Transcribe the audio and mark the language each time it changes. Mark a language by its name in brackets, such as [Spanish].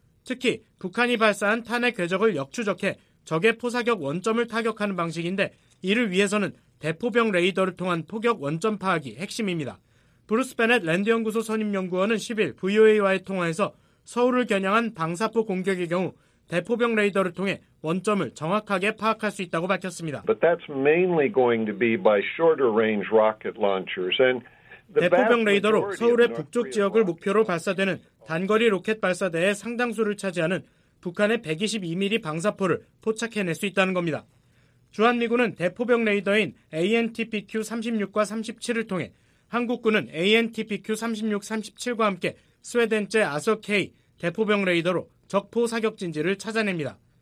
[Korean] 특히 북한이 발사한 탄핵 궤적을 역추적해 적의 포사격 원점을 타격하는 방식인데 이를 위해서는 대포병 레이더를 통한 포격 원점 파악이 핵심입니다. 브루스 베넷 랜드연구소 선임연구원은 10일 VOA와의 통화에서 서울을 겨냥한 방사포 공격의 경우 대포병 레이더를 통해 원점을 정확하게 파악할 수 있다고 밝혔습니다. [English] But that's mainly going to be by shorter range rocket launchers. And [Korean] the 대포병 레이더로 서울의 북쪽 지역을 목표로 발사되는 단거리 로켓 발사대의 상당수를 차지하는 북한의 122mm 방사포를 포착해낼 수 있다는 겁니다. 주한미군은 대포병 레이더인 ANTPQ-36과 37을 통해 한국군은 ANTPQ-36-37과 함께 스웨덴제 아서케이 대포병 레이더로 적포 사격 진지를 찾아냅니다.